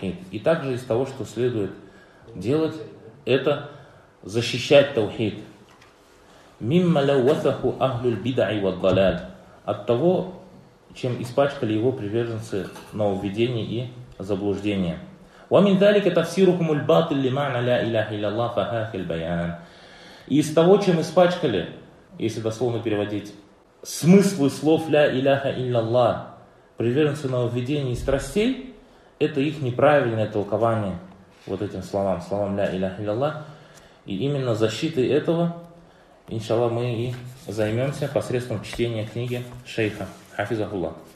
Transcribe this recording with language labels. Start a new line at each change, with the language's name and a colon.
Russian: И также из того, что следует делать, это защищать таухид.
Arabic: Мимма лаввасаху ахлюль бидаи ваддалаль.
Russian: От того, чем испачкали его приверженцы нововведений и заблуждение.
Arabic: ومن ذلك تفسيرهم الباطل لمعنى لا إله إلا الله فهاك البيان.
Russian: И из того, чем испачкали, если дословно переводить, смыслы слов ля иляха илляллах, приверженцы нововведений и страстей, это их неправильное толкование вот этим словам, словам ля иляха илляллах. И именно защитой этого, иншаллах, мы и займемся посредством чтения книги шейха хафизахулла.